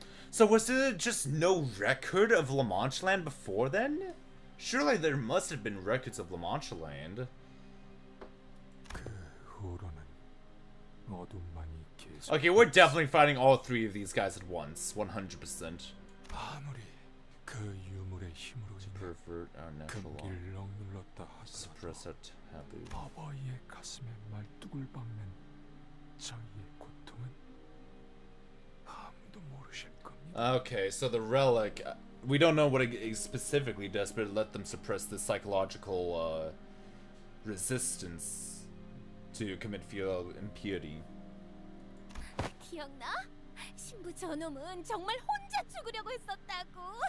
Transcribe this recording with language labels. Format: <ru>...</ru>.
<en>So was there just no record of Lamanchaland before then? Surely there must have been records of Lamanchaland.</en> <ko>그 후로는 어둠</ko> <en>Okay, we're definitely fighting all three of these guys at once, 100%.</en> <ko>아무리 그 유물의 힘으로 금기를 눌렀다 하더라도 어버이의 가슴에 말뚝을 박는 저희의 고통은 아무도 모르실 겁니다.</ko> <en>Okay, so the relic, we don't know what it specifically does, but it let them suppress the psychological resistance to commit filial impurity.</en> <ko>기억나? 신부 저놈은 정말 혼자 죽으려고 했었다고.</ko>